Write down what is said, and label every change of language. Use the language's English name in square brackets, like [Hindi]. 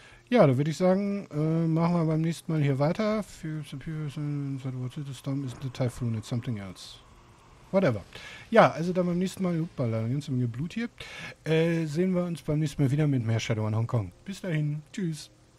[German] Ja, dann würde ich sagen, machen wir beim nächsten Mal hier weiter. [English] The storm isn't a typhoon, it's something else. Whatever. [German] Ja, also dann beim nächsten Mal, hoppala, ganz im Geblut hier. Sehen wir uns beim nächsten Mal wieder mit mehr Shadow in Hongkong. Bis dahin, tschüss.